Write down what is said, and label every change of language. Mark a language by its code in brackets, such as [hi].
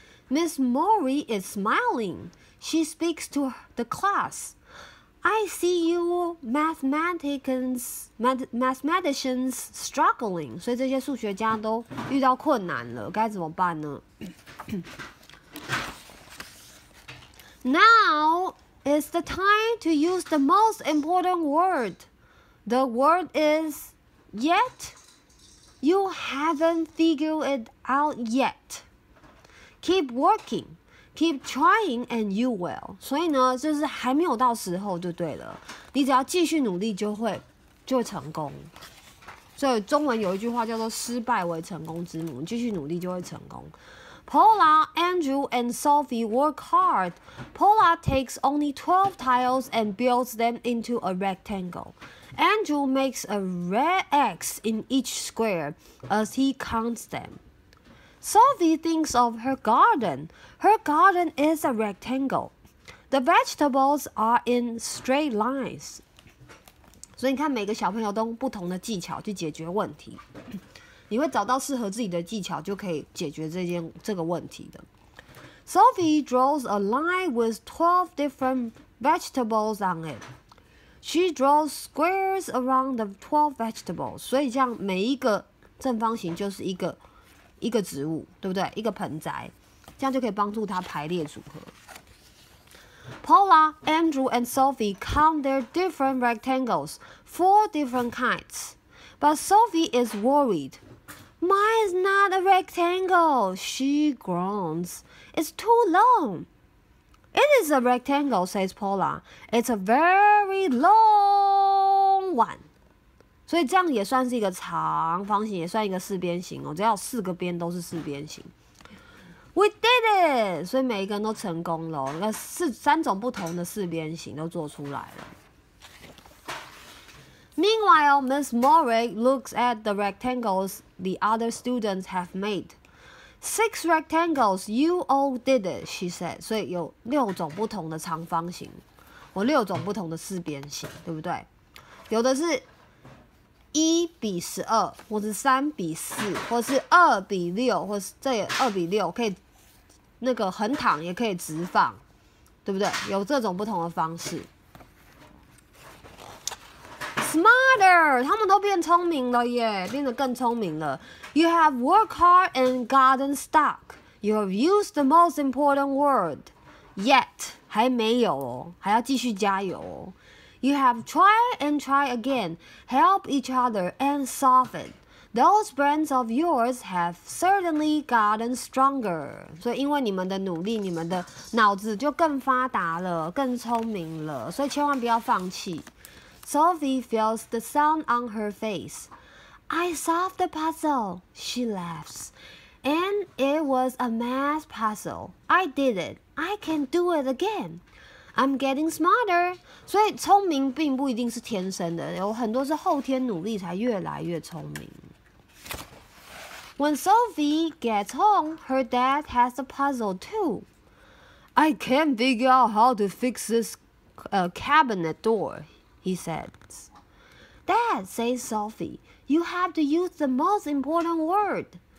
[en] Miss Mori is smiling. She speaks to the class. I see you mathematicians struggling. [zh] 所以这些数学家都遇到困难了，该怎么办呢？ [en] Now is the time to use the most important word. The word is yet. You haven't figured it out yet. Keep working. Keep trying and you will. [zh] 所以呢，就是还没有到时候就对了。你只要继续努力，就会成功。所以中文有一句话叫做“失败为成功之母”，继续努力就会成功。 [en] Paula, Andrew, and Sophie work hard. Paula takes only 12 tiles and builds them into a rectangle. Andrew makes a red X in each square as he counts them. Sophie thinks of her garden. Her garden is a rectangle. The vegetables are in straight lines. [zh] 所以你看，每个小朋友都用不同的技巧去解决问题。你会找到适合自己的技巧，就可以解决这个问题的。 [en] Sophie draws a line with 12 different vegetables on it. She draws squares around the 12 vegetables. [zh] 所以这样每一个正方形就是一个植物，对不对？一个盆栽，这样就可以帮助他排列组合。 [en] Paula, Andrew, and Sophie count their different rectangles, four different kinds. But Sophie is worried. Mine is not a rectangle, she groans. It's too long. It is a rectangle, says Paula. It's a very long one. [zh] 所以这样也算是一个长方形，也算一个四边形哦。只要四个边都是四边形。 [en] We did it！ [zh] 所以每一个人都成功了，那三种不同的四边形都做出来了。 [en] Meanwhile, Miss Morrig looks at the rectangles the other students have made. Six rectangles, you all did it, she said. [zh] 所以有六种不同的长方形，我六种不同的四边形，对不对？有的是。 1:12，或是3:4，或是2:6，或是这也2:6，可以那个横躺，也可以直放，对不对？有这种不同的方式。 Smarter， 他们都变聪明了耶，变得更聪明了。 [en] You have worked hard and gotten stuck. You have used the most important word yet， [zh] 还没有哦，还要继续加油哦。 [en] You have tried and tried again, help each other and solve it. Those brains of yours have certainly gotten stronger. [zh] 所以因为你们的努力，你们的脑子就更发达了，更聪明了，所以千万不要放弃。 [en] Sophie feels the sun on her face. I solved the puzzle, she laughs. And it was a math puzzle. I did it. I can do it again. I'm getting smarter. [zh] 所以聪明并不一定是天生的，有很多是后天努力才越来越聪明。 [en] When Sophie gets home, her dad has a puzzle too. I can't figure out how to fix this cabinet door, he says. Dad, says Sophie, you have to use the most important word.